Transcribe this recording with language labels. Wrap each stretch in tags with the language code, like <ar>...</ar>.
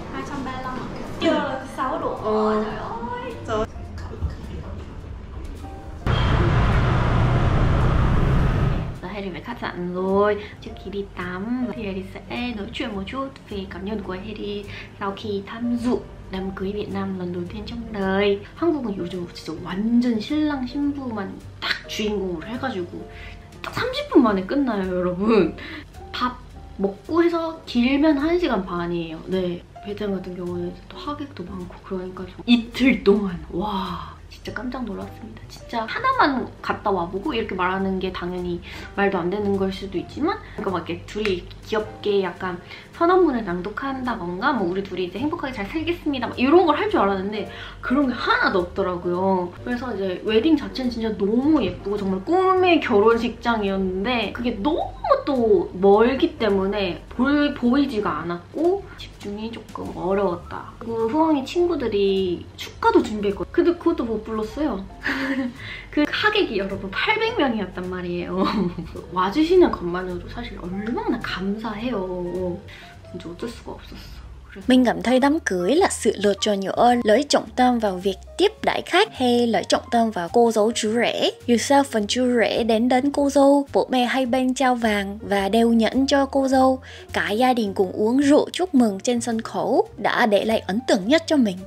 <vi>235 ạ. Chưa 6 đủ. Trời ơi. Hayley về khách sạn rồi. Trước khi đi tắm thì Hayley sẽ nói chuyện một chút về cảm nhận của Hayley sau khi tham dự đám cưới Việt Nam lần đầu tiên trong đời.</vi> <ko>한국은 요즘 진짜 완전 신랑 신부만 딱 주인공으로 해가지고 30분 만에 끝나요, 여러분. 밥 먹고 해서 길면 1시간 반이에요. 네. 베트남 같은 경우는 또 하객도 많고 그러니까 좀 이틀 동안 와, 진짜 깜짝 놀랐습니다. 진짜 하나만 갔다 와보고 이렇게 말하는 게 당연히 말도 안 되는 걸 수도 있지만 그러니까 막 이렇게 둘이 귀엽게 약간 선언문을 낭독한다던가 뭐 우리 둘이 이제 행복하게 잘 살겠습니다 막 이런 걸 할 줄 알았는데 그런 게 하나도 없더라고요. 그래서 이제 웨딩 자체는 진짜 너무 예쁘고 정말 꿈의 결혼식장이었는데 그게 너무 또 멀기 때문에 보이지가 않았고 집중이 조금 어려웠다. 그리고 후왕이 친구들이 축가도 준비했고 근데 그것도 못 불렀어요. 그 하객이 여러분 800명이었단 말이에요. 와주시는 것만으로 사실 얼마나 감사해요. 진짜 어쩔 수가 없었어.</ko> <vi>Mình cảm thấy đám cưới là sự lựa chọn giữa lấy trọng tâm vào việc tiếp đãi khách hay lấy trọng tâm vào cô dâu chú rể. Dù sao phần chú rể đến cô dâu, bố mẹ hai bên trao vàng và đeo nhẫn cho cô dâu. Cả gia đình cùng uống rượu chúc mừng trên sân khấu đã để lại ấn tượng nhất cho mình.</vi>